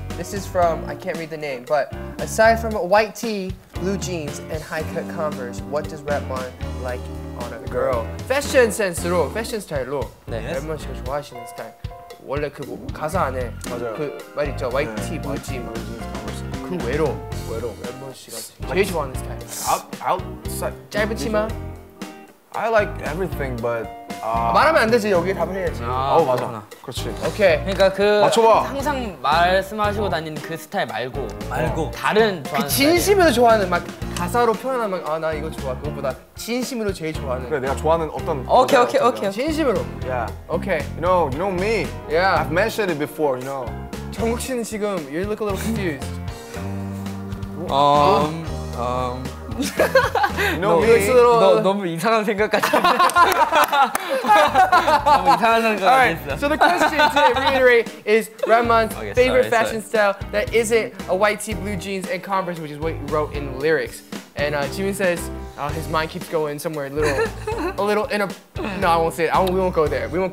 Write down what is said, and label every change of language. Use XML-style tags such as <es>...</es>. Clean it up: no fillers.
<en>This is from, I can't read the name, but aside from a white tee, blue jeans, and high-cut Converse, what does Redmon like on a girl?</en> <ko>Fashion sense로, fashion style로 Redmon 씨가 좋아하시는 스타일. 원래 그 가사 안에 그 말 있죠?</ko> <en>White tee, blue jeans, blue jeans, Converse.</en> <ko>그 외로, Redmon 씨가 제일 좋아하는 스타일.</ko> <en>Outside.</en> <ko>짧은 치마?</ko> <en>I like everything, but</en> <ko>말하면 안 되지 여기에 답을 해야지. 맞아. 그렇지. 오케이. 그러니까 그 맞춰봐. 항상 말씀하시고 다니는 그 스타일 말고 다른 좋아하는 그 진심으로 스타일이야. 좋아하는 막 가사로 표현하면 아 나 이거 좋아 그것보다 진심으로 제일 좋아하는. 그래 내가 좋아하는 어떤. 오케이. 진심으로.</ko> <en>Yeah. Okay. You know me. Yeah. I've mentioned it before. You know.</en> <ko>정국 씨는 지금</ko> <en>you look a little confused. No, 너,</en> <ko>너, 너 너무 이상한 생각 같아. 너무 이상한 생각 같아.</ko> <en>Alright, so the question to reiterate is Redmond's favorite fashion style that isn't a white tee, blue jeans, and Converse, which is what he wrote in the lyrics. And Jimin says his mind keeps going somewhere a little in a. No, I won't say it. We won't go there.</en>